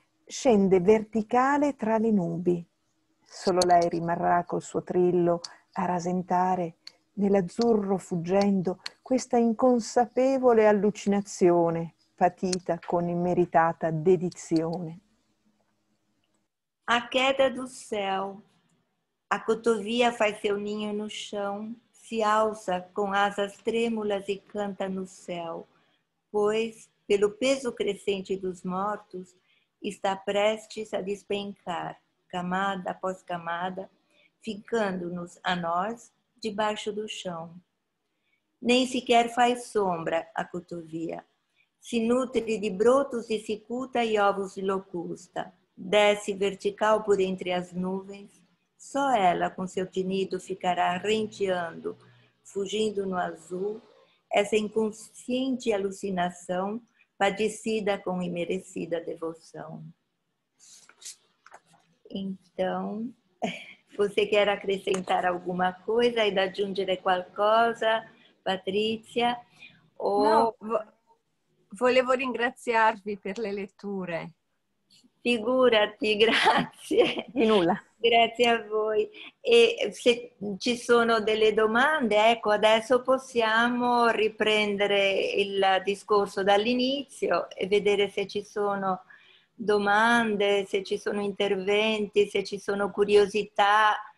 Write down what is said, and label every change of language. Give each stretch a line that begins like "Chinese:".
Italian: Scende verticale tra le nubi. Solo lei rimarrà col suo trillo a rasentare, nell'azzurro fuggendo, questa inconsapevole allucinazione, patita con immeritata dedizione.
Portuguese: A queda do céu. A cotovia faz seu ninho no chão, se alça com asas trêmulas e canta no céu, pois, pelo peso crescente dos mortos, está prestes a despencar, camada após camada, ficando-nos a nós debaixo do chão. Nem sequer faz sombra a cotovia. Se nutre de brotos de cicuta e ovos de locusta. Desce vertical por entre as nuvens. Só ela, com seu tinido, ficará renteando, fugindo no azul, essa inconsciente alucinação padecida com imerecida devoção. Então, você quer acrescentar alguma coisa e
Italian: da aggiungere qualcosa,
Portuguese: Patrizia? Ou... Não,
Italian: volevo ringraziarvi per le letture. Figurati, grazie. Di nulla. Grazie a voi. E se ci sono delle domande, ecco, adesso possiamo riprendere il discorso dall'inizio e vedere se ci sono domande, se ci sono interventi, se ci sono curiosità.